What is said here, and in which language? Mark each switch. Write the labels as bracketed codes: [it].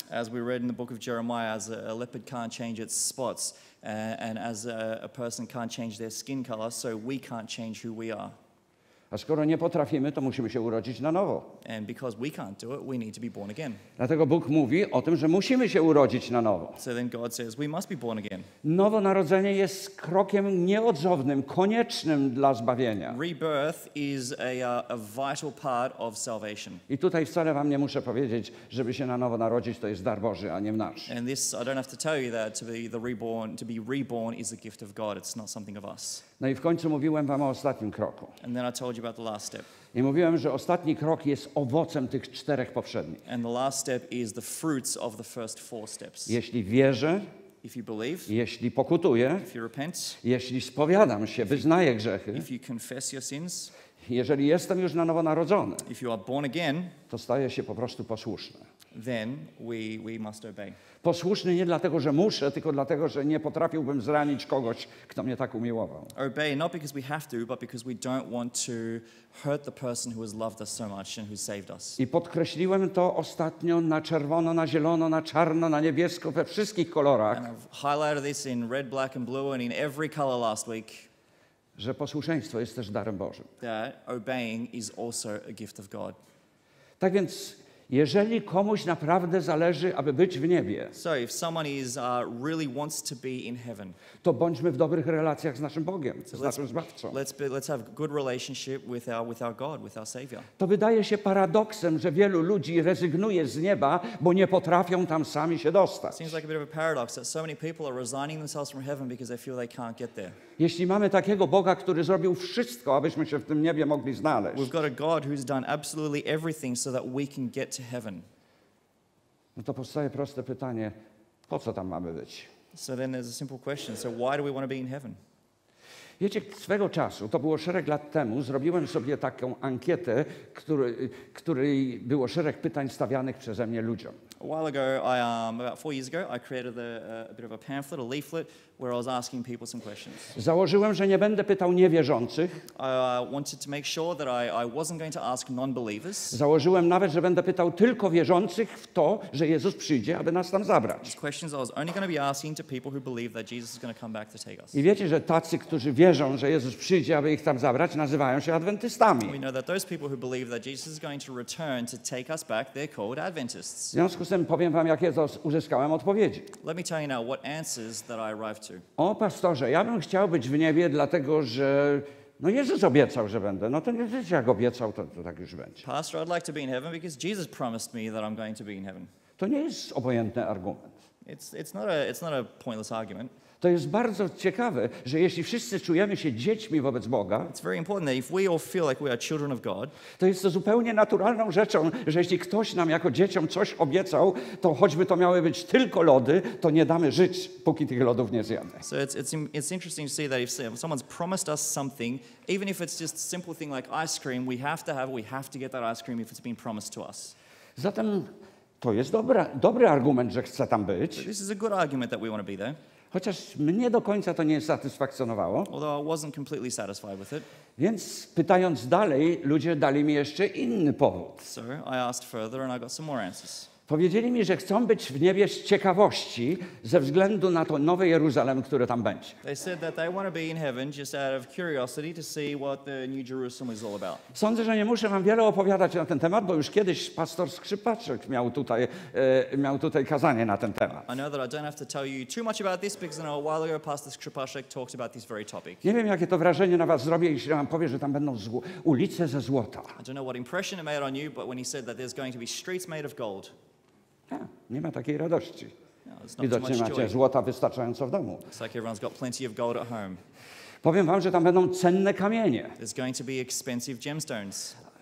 [en] As we read in the book of Jeremiah, as a leopard can't change its spots, and as a person can't change their skin color, so we can't change who we are. [pl] A skoro nie potrafimy, to musimy się urodzić na nowo. [en] And because we can't do it, we need to be born again. [pl] Dlatego Bóg mówi o tym, że musimy się urodzić na nowo. [en] So then God says we must be born again. [pl] Nowonarodzenie jest krokiem nieodzownym, koniecznym dla zbawienia. [en] Rebirth is a vital part of salvation. [pl] I tutaj wcale wam nie muszę powiedzieć, żeby się na nowo narodzić, to jest dar Boży, a nie nasz. [en] And this, I don't have to tell you that to be reborn is a gift of God. It's not something of us. [pl] No i w końcu mówiłem wam o ostatnim kroku. [en] And then I told you about the last step. [pl] I mówiłem, że ostatni krok jest owocem tych czterech poprzednich. [en] And the last step is the fruits of the first four steps. [pl] Jeśli wierzę, [en] if you believe, [pl] jeśli pokutuję, [en] if you repent, [pl] jeśli spowiadam się, wyznaję grzechy, [en] if you confess your sins, [pl] jeżeli jestem już na nowo narodzony, [en] if you are born again, [pl] to staję się po prostu posłuszny. [en] Then we must obey. [pl] Posłuszny nie dlatego, że muszę, tylko dlatego, że nie potrafiłbym zranić kogoś, kto mnie tak umiłował. [en] Obey not because we have to, but because we don't want to hurt the person who has loved us so much and who saved us. [pl] I podkreśliłem to ostatnio na czerwono, na zielono, na czarno, na niebiesko, we wszystkich kolorach. [en] And I've highlighted this in red, black and blue and in every color last week. [pl] Że posłuszeństwo jest też darem Bożym. [en] That obeying is also a gift of God. [pl] Tak więc, jeżeli komuś naprawdę zależy, aby być w niebie, [en] so if someone is, really wants to be in heaven, [pl] to bądźmy w dobrych relacjach z naszym Bogiem, z naszym Zbawcą. [en] Let's have good relationship with our God, with our Savior. [pl] To wydaje się paradoksem, że wielu ludzi rezygnuje z nieba, bo nie potrafią tam sami się dostać. [en] Seems like a bit of a paradox that so many people are resigning themselves from heaven because they feel they can't get there. [pl] Jeśli mamy takiego Boga, który zrobił wszystko, abyśmy się w tym niebie mogli znaleźć. [en] We've got a God who's done absolutely everything so that we can get to heaven. [pl] No to powstaje proste pytanie, po co tam mamy być? [en] So then there's a simple question. So why do we want to be in heaven? [pl] Wiecie, swego czasu, to było szereg lat temu, zrobiłem sobie taką ankietę, której było szereg pytań stawianych przeze mnie ludziom. [en] A while ago, about 4 years ago, I created a bit of a pamphlet, a leaflet, where I was asking people some questions. [pl] Założyłem, że nie będę pytał niewierzących. [en] I wanted to make sure that I wasn't going to ask non-believers. [pl] Założyłem nawet, że będę pytał tylko wierzących w to, że Jezus przyjdzie, aby nas tam zabrać. [en] These questions I was only going to be asking to people who believe that Jesus is going to come back to take us. [pl] I wiecie, że tacy, którzy wierzą, że Jezus przyjdzie, aby ich tam zabrać, nazywają się adwentystami. [en] We know that those people who believe that Jesus is going to return to take us back, they're called Adventists. [pl] W związku z tym powiem wam, jakie uzyskałem odpowiedzi. [en] Let me tell you now what answers that I arrived. [pl] O pastorze, ja bym chciał być w niebie, dlatego że no Jezus obiecał, że będę. No to nie wiecie, jak obiecał, to tak już będzie. [en] Pastor, I'd like to be in heaven because Jesus promised me that I'm going to be in heaven. [pl] To nie jest obojętny argument. [en] It's not a pointless argument. [pl] To jest bardzo ciekawe, że jeśli wszyscy czujemy się dziećmi wobec Boga, [en] it's very important that if we all feel like we are children of God, [pl] to jest to zupełnie naturalną rzeczą, że jeśli ktoś nam jako dzieciom coś obiecał, to choćby to miały być tylko lody, to nie damy żyć, póki tych lodów nie zjemy. [en] So it's interesting to see that if someone's promised us something, even if it's just a simple thing like ice cream, we have to get that ice cream if it's been promised to us. [pl] Zatem to jest dobry argument, że chcę tam być. [en] But this is a good argument that we want to be there. [pl] Chociaż mnie do końca to nie satysfakcjonowało. [en] Although I wasn't completely satisfied with it. [pl] Więc pytając dalej, ludzie dali mi jeszcze inny powód. [en] So I asked further and I got some more answers. [pl] Powiedzieli mi, że chcą być w niebie z ciekawości ze względu na to nowe Jeruzalem, które tam będzie. [en] They said that they want to be in heaven just out of curiosity to see what the new Jerusalem is all about. [pl] Sądzę, że nie muszę wam wiele opowiadać na ten temat, bo już kiedyś pastor Skrzypaczek miał tutaj kazanie na ten temat. [en] I know that I don't have to tell you too much about this because a while ago pastor Skrzypaczek talked about this very topic. [pl] Nie wiem, jakie to wrażenie na was zrobi, jeśli wam powie, że tam będą ulice ze złota. [en] I don't know what impression it made on you, but when he said that there's going to be streets made of gold. [pl] Nie ma takiej radości. No, widocznie macie złota wystarczająco w domu. [en] It's like everyone's got plenty of gold at home. [pl] Powiem wam, że tam będą cenne kamienie. [en] There's going to be expensive gemstones.